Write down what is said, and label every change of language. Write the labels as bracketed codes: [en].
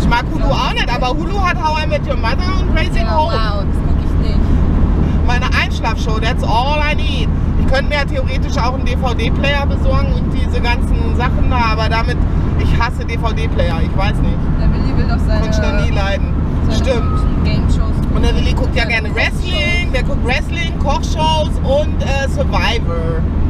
[de] ich mag Hulu auch nicht, aber Hulu hat How I Met Your Mother und Raising Hope. Wow, das guck ich nicht. Meine Einschlafshow, [en] that's all I need. [de] Ich könnte mir ja theoretisch auch einen DVD-Player besorgen und diese ganzen Sachen da, aber damit. Ich hasse DVD-Player, ich weiß nicht. Der Willi will doch seine. Könnte ich noch nie leiden. Stimmt. Game-Shows. Und der Willi guckt ja gerne Wrestling. Der guckt Wrestling, Kochshows und Survivor.